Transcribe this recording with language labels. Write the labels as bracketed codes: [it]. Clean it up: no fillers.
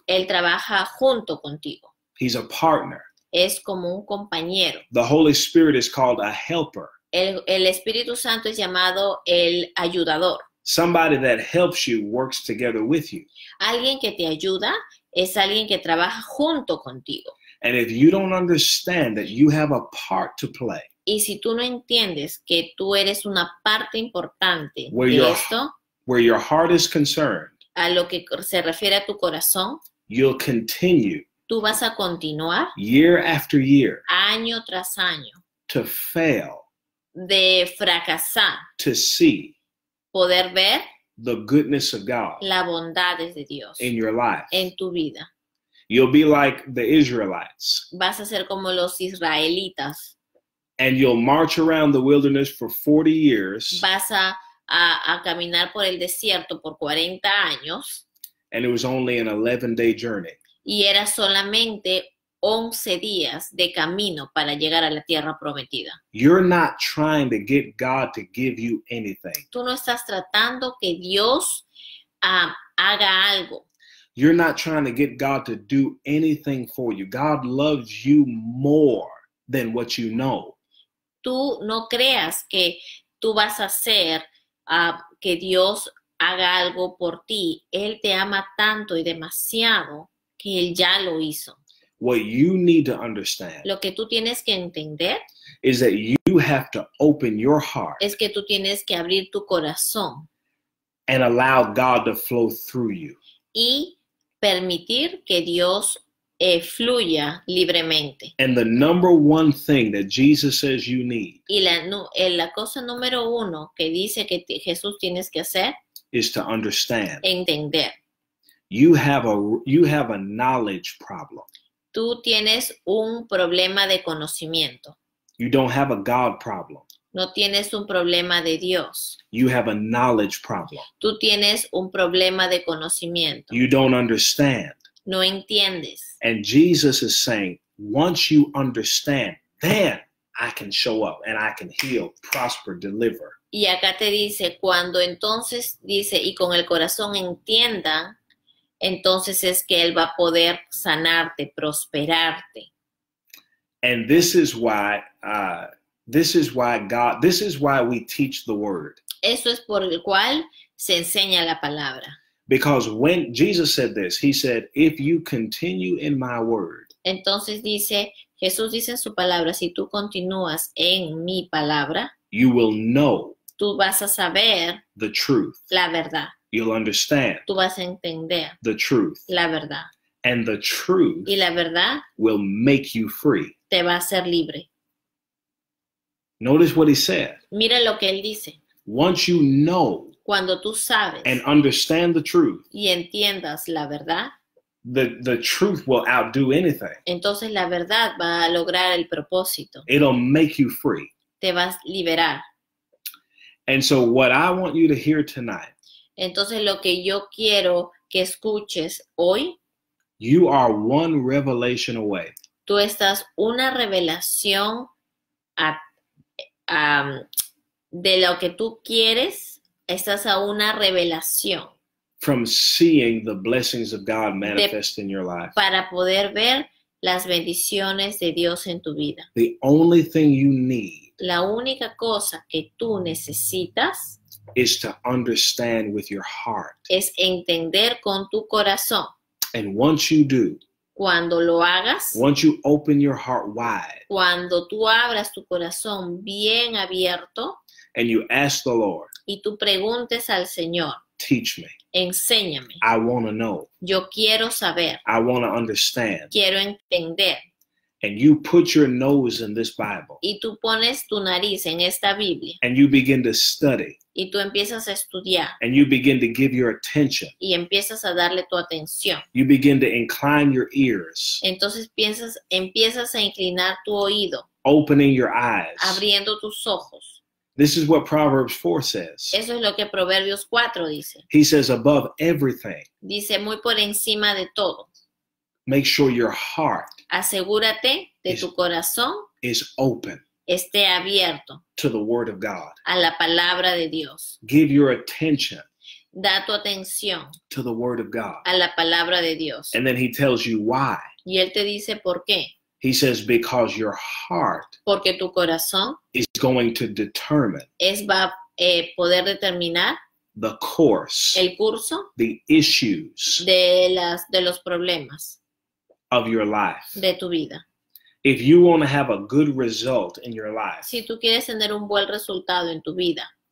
[es] Él trabaja junto contigo. [en] He's a partner. [es] Es como un compañero. [en] The Holy Spirit is called a helper. [es] El Espíritu Santo es llamado el ayudador. [en] Somebody that helps you works together with you. [es] Alguien que te ayuda es alguien que trabaja junto contigo. [en] And if you don't understand that you have a part to play, [es] y si tú no entiendes que tú eres una parte importante [en] where [es] de [en] your, [es] esto, [en] where your heart is concerned, [es] a lo que se refiere a tu corazón, [en] you'll continue, [es] tú vas a continuar, [en] year after year, [es] año tras año, [en] to fail, [es] de fracasar, [en] to see, [es] poder ver, [en] the goodness of God, [es] la bondad de Dios, [en] in your life, [es] en tu vida. [en] You'll be like the Israelites. [es] Vas a ser como los israelitas. [en] And you'll march around the wilderness for 40 years. [es] Vas a caminar por el desierto por 40 años. [en] And it was only an 11-day journey. [es] Y era solamente 11 días de camino para llegar a la tierra prometida. [en] You're not trying to get God to give you anything. [es] Tú no estás tratando que Dios haga algo. [en] You're not trying to get God to do anything for you. God loves you more than what you know. [es] Tú no creas que tú vas a hacer que Dios haga algo por ti. Él te ama tanto y demasiado que él ya lo hizo. [en] What you need to understand, [es] lo que tú tienes que entender, [en] is that you have to open your heart. [es] Es que tú tienes que abrir tu corazón. [en] And allow God to flow through you. [es] Y permitir que Dios fluya libremente. [en] And the number one thing that Jesus says you need. [es] Y la cosa número uno que dice que Jesús tienes que hacer. [en] Is to understand. [es] Entender. [en] You have a knowledge problem. [es] Tú tienes un problema de conocimiento. [en] You don't have a God problem. [es] No tienes un problema de Dios. [en] You have a knowledge problem. [es] Tú tienes un problema de conocimiento. [en] You don't understand. [es] No entiendes. [en] And Jesus is saying, once you understand, then I can show up and I can heal, prosper, deliver. [es] Y acá te dice, cuando entonces dice, y con el corazón entienda, entonces es que él va a poder sanarte, prosperarte. [en] And this is why this is why we teach the word. [es] Eso es por el cual se enseña la palabra. [en] Because when Jesus said this, he said, if you continue in my word. [es] Entonces dice, Jesús dice en su palabra, si tú continúas en mi palabra, [en] you will know. [es] Tú vas a saber [en] the truth. [es] La verdad. [en] You'll understand. [es] Tú vas a entender [en] the truth. [es] La verdad. [en] And the truth [es] y la verdad [en] will make you free. [es] Te va a hacer libre. [en] Notice what he said. [es] Mira lo que él dice. [en] Once you know [es] cuando tú sabes [en] and understand the truth, [es] y entiendas la verdad, [en] the truth will outdo anything. [es] Entonces la verdad va a lograr el propósito. [en] It'll make you free. [es] Te vas a liberar. [en] And so what I want you to hear tonight, [es] entonces lo que yo quiero que escuches hoy, [en] you are one revelation away. [es] Tú estás una revelación a de lo que tú quieres, estás a una revelación. [en] From seeing the blessings of God manifest in your life. [es] Para poder ver las bendiciones de Dios en tu vida. [en] The only thing you need. [es] La única cosa que tú necesitas. [en] Is to understand with your heart. [es] Es entender con tu corazón. [en] And once you do. [es] Cuando lo hagas, [en] once you open your heart wide, [es] cuando tú abras tu corazón bien abierto, [en] and you ask the Lord, [es] y tú preguntes al Señor, [en] teach me, [es] enséñame, [en] I want to know, [es] yo quiero saber, [en] I want to understand, [es] quiero entender, [en] and you put your nose in this Bible, [es] y tú pones tu nariz en esta Biblia, [en] and you begin to study, [es] y tú empiezas a estudiar. [en] And you begin to give your attention. [es] Y empiezas a darle tu atención. [en] You begin to incline your ears. [es] Entonces empiezas a inclinar tu oído. [en] Opening your eyes. [es] Abriendo tus ojos. [en] This is what Proverbs 4 says. [es] Eso es lo que Proverbios 4 dice. [en] He says above everything. [es] Dice muy por encima de todo. [en] Make sure your heart. [es] Asegúrate de tu corazón. [en] Is open. [es] Esté abierto [en] to the word of God. [es] A la palabra de Dios. [en] Give your attention. [es] Da tu atención [en] to the word of God. [es] A la palabra de Dios. [en] And then he tells you why. [es] Y él te dice por qué. [en] He says because your heart. [es] Porque tu corazón [en] is going to determine. [es] Es va poder determinar [en] the course. [es] El curso. [en] The issues. [es] De los problemas. [en] Of your life. [es] De tu vida. [en] If you want to have a good result in your life, [es] si tú quieres tener un buen resultado en tu vida,